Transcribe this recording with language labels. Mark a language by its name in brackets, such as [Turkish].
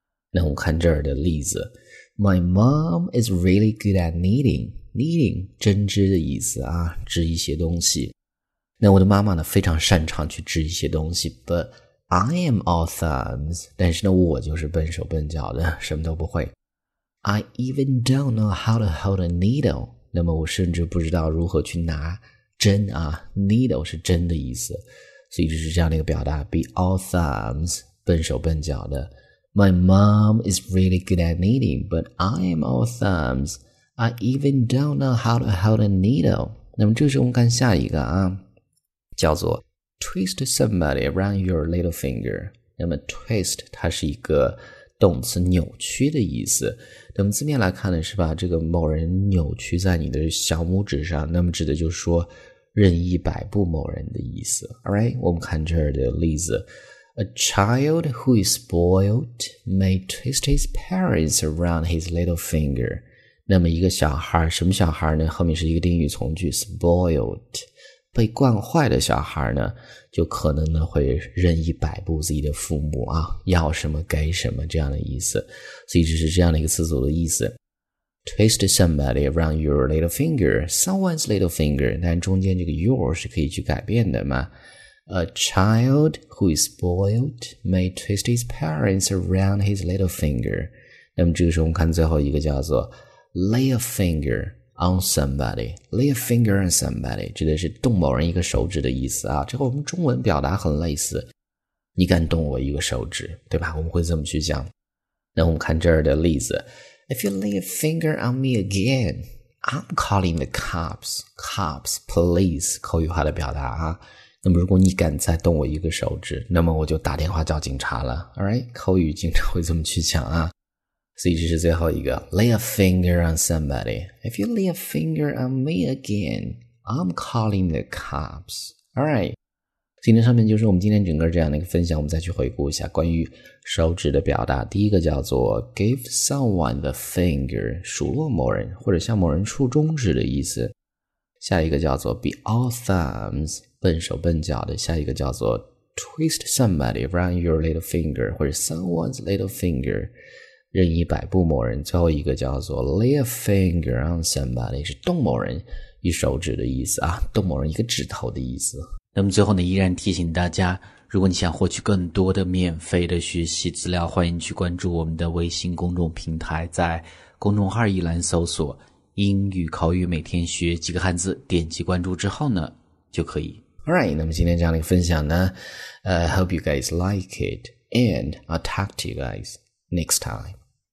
[Chinese] 那我们看这儿的例子， [English] My mom is really good at knitting， [Chinese] 针织的意思啊，织一些东西。那我的妈妈呢非常擅长去织一些东西， [English] butI am all thumbs， [Chinese] 但是呢我就是笨手笨脚的，什么都不会。 [English] I even don't know how to hold a needle， [Chinese] 那么我甚至不知道如何去拿针啊， needle 是针的意思。所以就是这样的一个表达， [English] be all thumbs， [Chinese] 笨手笨脚的。 [English] My mom is really good at knitting， but I am all thumbs， I even don't know how to hold a needle。 [Chinese] 那么这时候我们看下一个啊，叫做 [English] Twist somebody around your little finger. [Chinese] 那么 twist 它是一个动词，扭曲的意思。那么字面来看呢，是把这个某人扭曲在你的小拇指上，那么指的就是说任意摆布某人的意思。 Alright， 我们看这儿的例子。 [English] A child who is spoiled may twist his parents around his little finger. [Chinese] 那么一个小孩，什么小孩呢？后面是一个定语从句 spoiled。被惯坏的小孩呢就可能呢会任意摆布自己的父母啊，要什么给什么这样的意思。所以这是这样的一个词组的意思。 [English] Twist somebody around your little finger, someone's little finger, [Chinese] 但中间这个 your 是可以去改变的嘛。 [English] A child who is spoiled may twist his parents around his little finger. [Chinese] 那么这个时候我们看最后一个叫做 [English] lay a finger,on somebody, [Chinese] lay a finger on somebody, 指的是动某人一个手指的意思啊，这和我们中文表达很类似，你敢动我一个手指，对吧？我们会这么去讲。那我们看这儿的例子， [English] If you lay a finger on me again, I'm calling the cops, cops, police, [Chinese] 口语化的表达啊。那么如果你敢再动我一个手指，那么我就打电话叫警察了。 Alright, 口语经常会这么去讲啊。所以这是最后一个 [English] lay a finger on somebody. If you lay a finger on me again, I'm calling the cops. [Chinese] Alright. 今天上面就是我们今天整个这样的一个分享，我们再去回顾一下关于手指的表达。第一个叫做 [English] give someone the finger, [Chinese] 数落某人或者向某人竖中指的意思。下一个叫做 [English] be all thumbs, [Chinese] 笨手笨脚的。下一个叫做 [English] twist somebody around your little finger, [Chinese] 或者 someone's little finger,任意摆布某人。最后一个叫做 [English] lay a finger on somebody, [Chinese] 是动某人一手指的意思啊，动某人一个指头的意思。那么最后呢，依然提醒大家，如果你想获取更多的免费的学习资料，欢迎去关注我们的微信公众平台，在公众号一栏搜索英语口语每天学几个汉字，点击关注之后呢就可以。 [English] Alright, [Chinese] 那么今天这样的一个分享呢 [English] hope you guys like it, and I'll talk to you guys next time.